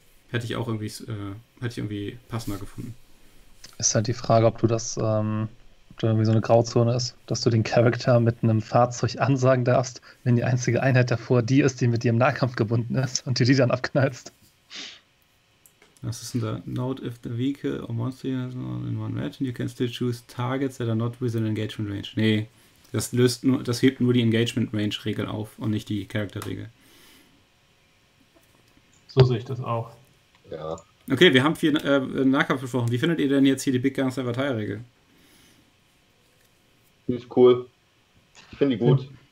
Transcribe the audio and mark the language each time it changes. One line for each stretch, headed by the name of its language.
German: Hätte ich irgendwie passender gefunden. Ist halt die Frage, ob du das ob da irgendwie so eine Grauzone ist, dass du den Charakter mit einem Fahrzeug ansagen darfst, wenn die einzige Einheit davor die ist, die mit dir im Nahkampf gebunden ist und du die dann abknallst. Was ist denn da?
English: Note, if the vehicle or monster is in one region, you can still choose targets that are not within engagement range.
German: Nee, das löst nur, das hebt nur die Engagement Range Regel auf und nicht die Charakter Regel. So sehe ich das auch. Ja. Okay, wir haben viel Nahkampf besprochen. Wie findet ihr denn jetzt hier die Big Guns Never Tire Regel? Finde ich cool. Ich finde die gut.